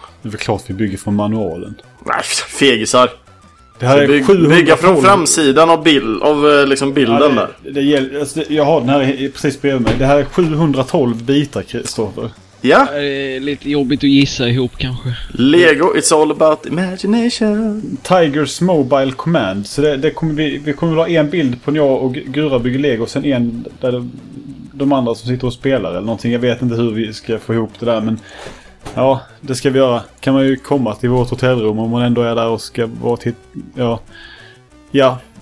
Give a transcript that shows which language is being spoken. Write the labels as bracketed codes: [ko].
[sv] Det är väl klart vi bygger från manualen. Nej, fegisar. Det här är 700 bygga från framsidan av liksom bilden, ja, det, där. Jag har den här precis bredvid mig. Det här är 712 bitar, Kristoffer. Ja. Lite jobbigt att gissa ihop kanske. [en] Lego, it's all about imagination. Tigers Mobile Command. [sv] Så det kommer vi kommer ha en bild på när jag och Gura bygger Lego, sen en där de andra som sitter och spelar eller någonting. Jag vet inte hur vi ska få ihop det där, men ja, det ska vi göra. Kan man ju komma till vårt hotellrum om man ändå är där och ska vara till. Ja. Ja.